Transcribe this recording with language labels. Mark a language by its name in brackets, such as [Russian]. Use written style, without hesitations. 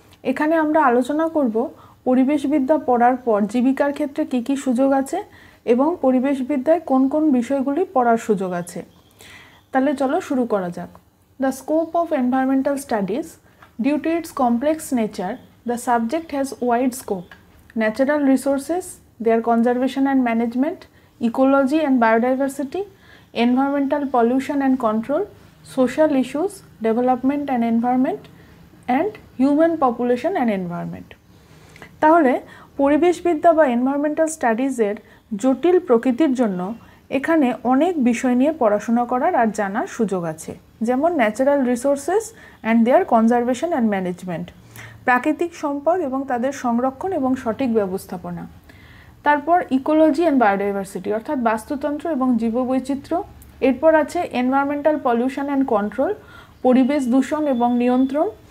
[Bangla] এখানে আমরা আলোচনা করব পরিবেশবিদ্যা পড়ার পর জীবিকার ক্ষেত্রে কী কী সুযোগ আছে এবং পরিবেশবিদ্যায় কোন কোন বিষয়গুলি পড়ার সুযোগ আছে। তাহলে চলো শুরু করা যাক। [English] The scope of environmental studies, due to its complex nature, the subject has wide scope. Natural resources, their conservation and management, ecology and biodiversity, environmental pollution and control, social issues, development and environment, and human population and environment. [Bangla] তাহলে পরিবেশবিদ্যা বা environmental স্টাডিজের জটিল প্রকৃতির জন্য এখানে অনেক বিষয় নিয়ে পড়াশোনা করার আর জানার সুযোগ আছে, যেমন [English] natural resources and their conservation and management, [Bangla] প্রাকৃতিক সম্পদ এবং তাদের সংরক্ষণ এবং সঠিক ব্যবস্থাপনা, তারপর [English] ecology and biodiversity [Bangla] অর্থাৎ বাস্তুতন্ত্র এবং জীববৈচিত্র্য, এরপর আছে [English] environmental pollution and control [Bangla] পরিবেশ দূষণ এবং নিয়ন্ত্রণ,